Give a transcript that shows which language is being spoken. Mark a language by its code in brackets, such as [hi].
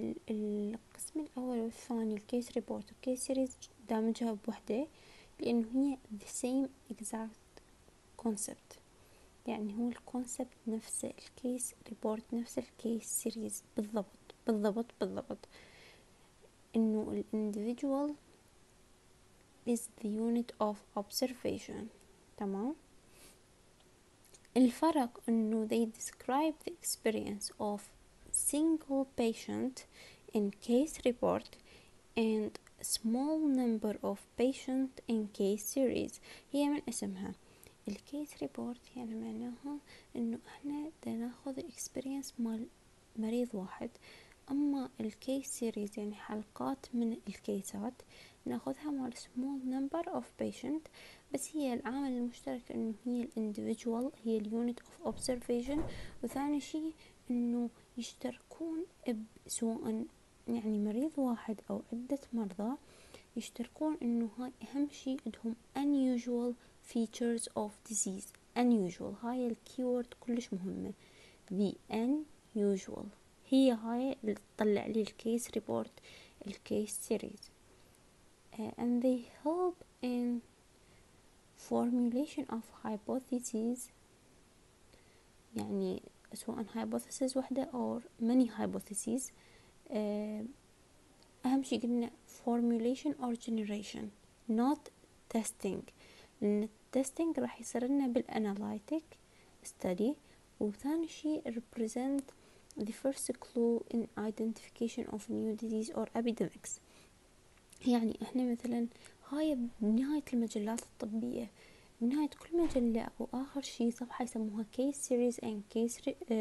[ar] القسم الاول والثاني الكيس ريبورت والكيس سيريز دامجها بوحدة لانه هي [en] the same exact concept، [ar] يعني هو الكونسبت نفسه، الكيس ريبورت نفس الكيس سيريز بالضبط بالضبط بالضبط، انه الانديفيدوال [en] is the unit of observation. [ar] تمام. الفرق انه [en] they describe the experience of single patient in case report and small number of patient in case series. [ar] هي من اسمها الcase report، يعني معناها انه احنا ناخذ experience مال مريض واحد، اما الcase series يعني حلقات من الكيسات ناخذها مال [en] small number of patient. [ar] بس هي العامل المشترك انه هي الانديفيدوال، هي اليونت اوف اوبزرفيشن، وثاني شيء انه يشتركون سواء يعني مريض واحد او عده مرضى يشتركون انه هاي اهم شيء عندهم [en] unusual features of disease. [ar] unusual هاي الكيورد كلش مهمه، [en] the unusual [ar] هي هاي اللي تطلع لي الكيس ريبورت الكيس سيريز. [en] and they help in formulation of hypotheses، [ar] يعني سواء [en] hypothesis واحدة or many hypotheses. [ar] أهم شيء قلنا [en] formulation or generation not testing، [ar] لأن [en] testing [ar] راح يصير لنا [en] بالanalytic study، [ar] وثاني شيء [en] represent the first clue in identification of new disease or epidemics. [ar] يعني احنا مثلا هاي بنهاية المجلات الطبية، بنهاية كل مجلة أو آخر شيء صفحة يسموها [en] case series and case